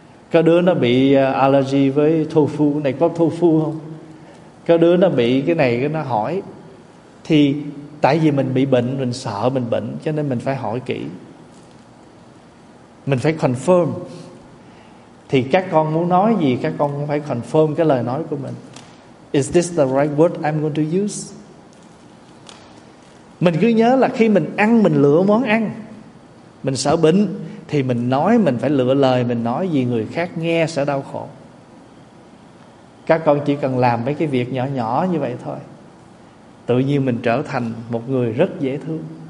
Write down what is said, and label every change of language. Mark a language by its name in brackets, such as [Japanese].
[Vietnamese] Có đứa nó bị allergy với tofu, cái này có tofu không? Có đứa nó bị cái này, cái nó hỏi. Thì tại vì mình bị bệnh, mình sợ mình bệnh, cho nên mình phải hỏi kỹ. Mình phải confirm. Thì các con muốn nói gì, các con cũng phải confirm cái lời nói của mình. [English] Is this the right word I'm going to use? [Vietnamese] Mình cứ nhớ là khi mình ăn, mình lựa món ăn. Mình sợ bệnh thì mình nói, mình phải lựa lời mình nói gì, người khác nghe sẽ đau khổ. Các con chỉ cần làm mấy cái việc nhỏ nhỏ như vậy thôi, tự nhiên mình trở thành một người rất dễ thương.